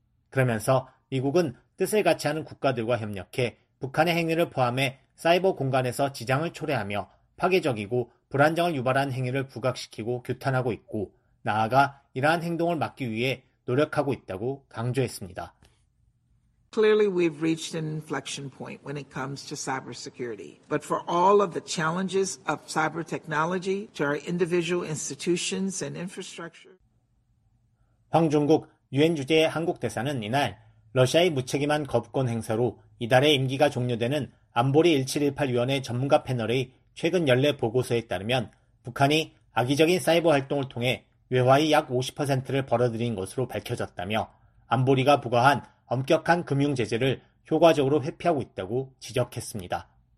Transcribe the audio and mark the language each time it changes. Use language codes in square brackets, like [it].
[ko] 그러면서 미국은 뜻을 같이 하는 국가들과 협력해 북한의 행위를 포함해 사이버 공간에서 지장을 초래하며 파괴적이고 불안정을 유발한 행위를 부각시키고 규탄하고 있고 나아가 이러한 행동을 막기 위해 노력하고 있다고 강조했습니다. [en] Clearly, we've reached an inflection point when it comes to cybersecurity. But for all of the challenges of cyber technology to our individual institutions and infrastructure. [ko] 황중국 유엔 주재 한국 대사는 이날 러시아의 무책임한 거부권 행사로 이달의 임기가 종료되는 안보리 1718위원회 전문가 패널의 최근 연례 보고서에 따르면 북한이 악의적인 사이버 활동을 통해 외화의 약 50%를 벌어들인 것으로 밝혀졌다며 안보리가 부과한 엄격한 금융 제재를 효과적으로 회피하고 있다고 지적했습니다.